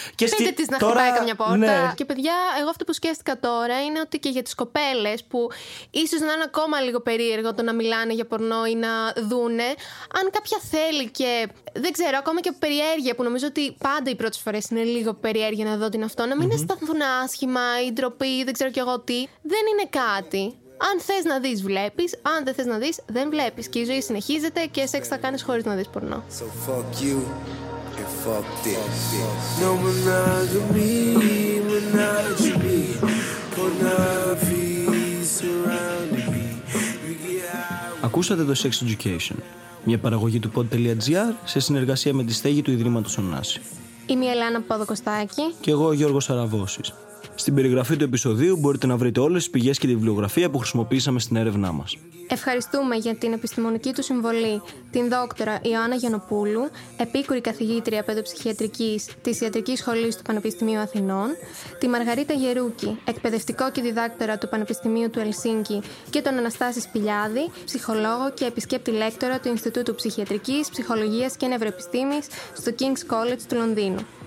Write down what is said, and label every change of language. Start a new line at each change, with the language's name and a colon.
Greek: Πείτε τη να χτυπάει καμιά πόρτα. Ναι. Και παιδιά, εγώ αυτό που σκέφτηκα τώρα είναι ότι και για τις κοπέλες που ίσως να είναι ακόμα λίγο περίεργο το να μιλάνε για πορνό ή να δούνε, αν κάποια θέλει και δεν ξέρω, ακόμα και περιέργεια, που νομίζω ότι πάντα οι πρώτες φορές είναι λίγο περιέργεια να δω την αυτό, να μην αισθανθούν άσχημα ή ντροπή ή δεν ξέρω κι εγώ τι, δεν είναι κάτι. Αν θες να δεις, βλέπεις. Αν δεν θες να δεις, δεν βλέπεις. Και η ζωή συνεχίζεται και σεξ θα κάνεις χωρίς να δεις πορνό.
English: So fuck you and fuck this. No monogamy, monogamy. Pornography surrounding me.
Greek: Ακούσατε το Sex Education, μια παραγωγή του pod.gr σε συνεργασία με τη στέγη του Ιδρύματος Ωνάση. Είμαι η Ελένα Παπαδοκοστάκη. Και εγώ ο Γιώργος Αραβώσης. Στην περιγραφή του επεισοδίου μπορείτε να βρείτε όλες τις πηγές και τη βιβλιογραφία που χρησιμοποίησαμε στην έρευνά μας. Ευχαριστούμε για την επιστημονική του συμβολή την δόκτωρα Ιωάννα Γιανοπούλου, επίκουρη καθηγήτρια παιδοψυχιατρικής της Ιατρικής Σχολής του Πανεπιστημίου Αθηνών, τη Μαργαρίτα Γερούκη, εκπαιδευτικό και διδάκτορα του Πανεπιστημίου του Ελσίνκη, και τον Αναστάση Σπηλιάδη, ψυχολόγο και επισκέπτη λέκτορα του Ινστιτούτου Ψυχιατρικής, Ψυχολογίας και Νευροεπιστήμης στο King's College του Λονδίνου.